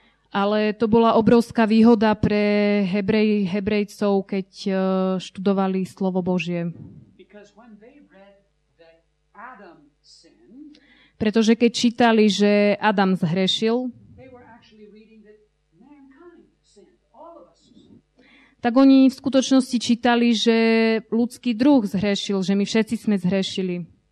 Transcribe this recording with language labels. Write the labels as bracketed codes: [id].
[sk] Ale to bola obrovská výhoda pre Hebrejcov, keď študovali slovo Božie. [en] Because when they read that Adam sinned, [sk] pretože keď čítali, že Adam zhrešil, [en] they were actually reading that mankind sinned, all of us. [sk] Tak oni v skutočnosti čítali, že ľudský druh zhrešil, že my všetci sme zhrešili.